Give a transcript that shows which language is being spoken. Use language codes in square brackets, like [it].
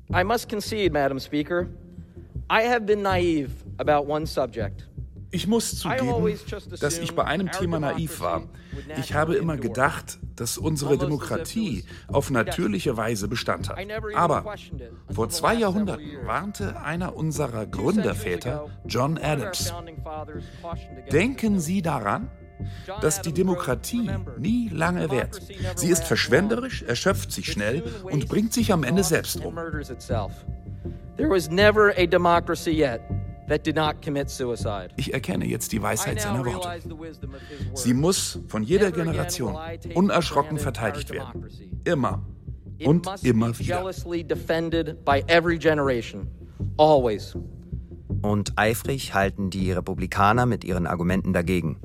[en] I must concede, Madam Speaker, I have been naive about one subject. [de] Ich muss zugeben, dass ich bei einem Thema naiv war. Ich habe immer gedacht, dass unsere Demokratie auf natürliche Weise Bestand hat. Aber vor 2 Jahrhunderten warnte einer unserer Gründerväter, John Adams. Denken Sie daran, dass die Demokratie nie lange währt. Sie ist verschwenderisch, erschöpft sich schnell und bringt sich am Ende selbst um. [en] There was never a democracy yet that did not commit suicide. [de] Ich erkenne jetzt die Weisheit seiner Worte. Sie muss von jeder Generation unerschrocken verteidigt werden. Immer und immer wieder. [en] Always. [de] Und eifrig halten die Republikaner mit ihren Argumenten dagegen.